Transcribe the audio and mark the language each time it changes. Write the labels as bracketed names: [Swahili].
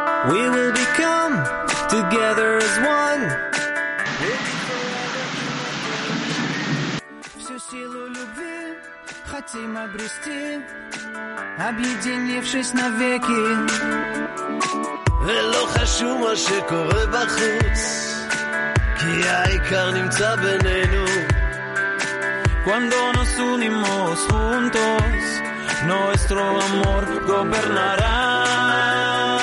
[English] We will become together as one. [Russian] Всю силу любви хотим обрести, объединившись навеки. [Hebrew] ולא חשוב מה שקורה בחוץ, כי העיקר נמצא בינינו. [Spanish] Cuando nos unimos juntos, nuestro amor gobernará.